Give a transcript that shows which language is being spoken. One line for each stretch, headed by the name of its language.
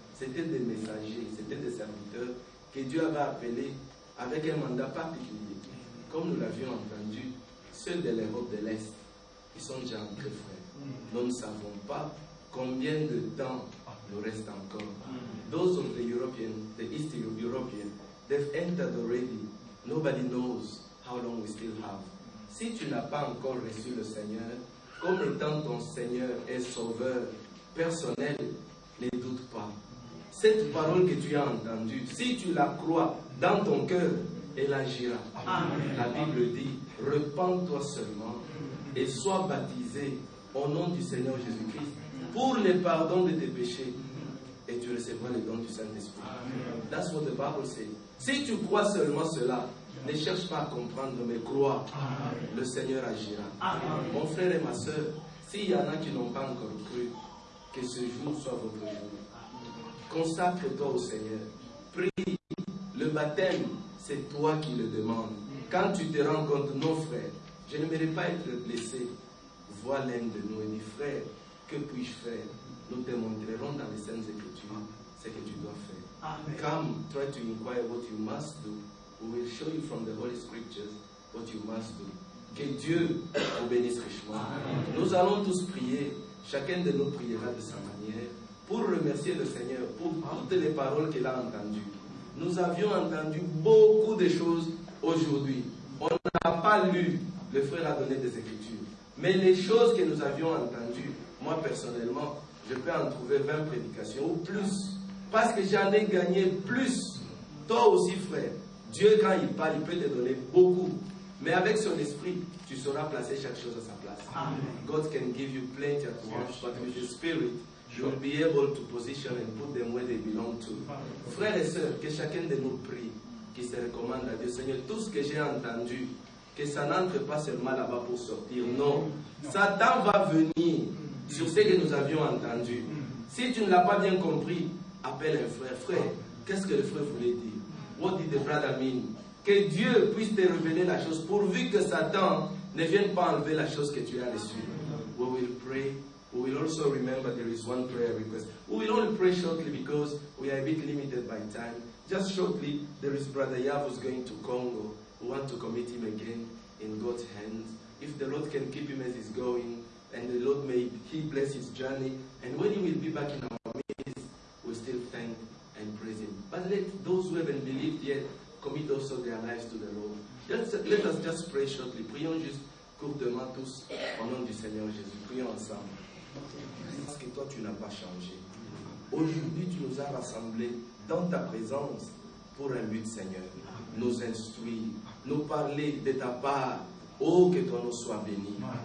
French: C'était des messagers, c'était des serviteurs que Dieu avait appelés avec un mandat particulier. Comme nous l'avions entendu, ceux de l'Europe de l'Est, ils sont déjà entrés, frères. Nous ne savons pas combien de temps nous reste encore.
English: Those of the European, the East European, they've entered already. Nobody knows how long we still have.
French: Si tu n'as pas encore reçu le Seigneur, comme étant ton Seigneur et Sauveur personnel, ne doute pas. Cette parole que tu as entendue, si tu la crois dans ton cœur, elle agira. Amen. La Bible dit, repens-toi seulement et sois baptisé au nom du Seigneur Jésus-Christ pour le pardon de tes péchés et tu recevras le don du Saint-Esprit. Amen.
English: That's what the Bible says.
French: Si tu crois seulement cela, ne cherche pas à comprendre, mais crois. Amen. Le Seigneur agira. Amen. Mon frère et ma soeur, s'il y en a qui n'ont pas encore cru, que ce jour soit votre jour. Consacre-toi au Seigneur. Prie. Le baptême, c'est toi qui le demandes. Quand tu te rends compte, non, frère, je ne mérite pas être blessé. Vois l'un de nous et dis, frère, que puis-je faire? Nous te montrerons dans les Saintes Écritures ce que tu dois faire. Amen.
English: Come, try to inquire what you must do. We will show you from the Holy Scriptures what you must do.
French: Que Dieu vous bénisse richement. Amen. Nous allons tous prier. Chacun de nous priera de sa manière pour remercier le Seigneur pour toutes les paroles qu'il a entendues. Nous avions entendu beaucoup de choses aujourd'hui. On n'a pas lu, le frère a donné des écritures. Mais les choses que nous avions entendues, moi personnellement, je peux en trouver 20 prédications ou plus. Parce que j'en ai gagné plus. Toi aussi, frère. Dieu, quand il parle, il peut te donner beaucoup. Mais avec son esprit, tu sauras placer chaque chose à sa place. Amen.
English: God can give you plenty at once, but with his spirit, you'll be able to position and put them where they belong to.
French: Frères et sœurs, que chacun de nous prie, qu'il se recommande à Dieu. Seigneur, tout ce que j'ai entendu, que ça n'entre pas seulement là-bas pour sortir. Non. Satan va venir sur ce que nous avions entendu. Si tu ne l'as pas bien compris, appelle un frère. Frère, qu'est-ce que le frère voulait dire?
English: What did the brother mean?
French: Que Dieu puisse te révéler la chose, pourvu que Satan ne vienne pas enlever la chose que tu as reçue.
English: We will pray. We will also remember there is one prayer request. We will only pray shortly because we are a bit limited by time. Just shortly, there is Brother Yavu's going to Congo. We want to commit him again in God's hands. If the Lord can keep him as he's going, and the Lord may he bless his journey, and when he will be back in our midst, we still thank and praise him. But let those who haven't believed yet commit also their lives to the Lord. Let us just pray shortly.
French: Prions juste courtement tous au nom du Seigneur Jésus. Prions ensemble. Parce que toi, tu n'as pas changé. Aujourd'hui, tu nous as rassemblés dans ta présence pour un but, Seigneur. Nous instruire, nous parler de ta part. Oh, que ton nom soit béni.